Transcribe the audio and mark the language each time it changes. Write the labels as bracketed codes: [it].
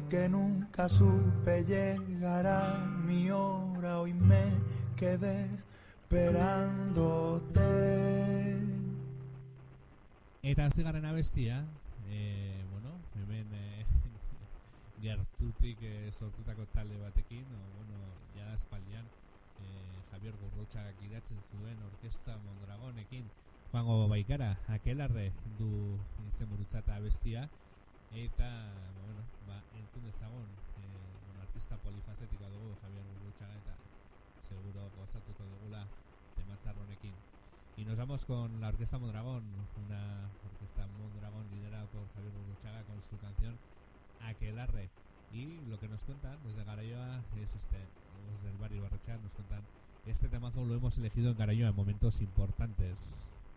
[es] Nunca supe llegar a mi hora, hoy me quedé esperándote. [eu] Eta azigarren abestia, bueno, hemen gertutik sortutako talde batekin, o, bueno, jada espaldian Javier Gurrotxak idatzen zuen Orkesta Mondragonekin, joango baikara, Akelarre du izenburutzat abestia, eta, bueno, ba, entzun dezagon, bueno, artista polifazetikoa dugu, Javier Gurrutxaga, eta seguro gozatuko dugula tematzarronekin. [es] Y nos vamos con la Orquesta Mondragón, una Orquesta Mondragón liderada por Javier Gurrutxaga con su canción Aquelarre. Y lo que nos cuentan desde Garaioa es este, desde el barrio Barrocha, nos cuentan, este temazo lo hemos elegido en Garaioa en momentos importantes.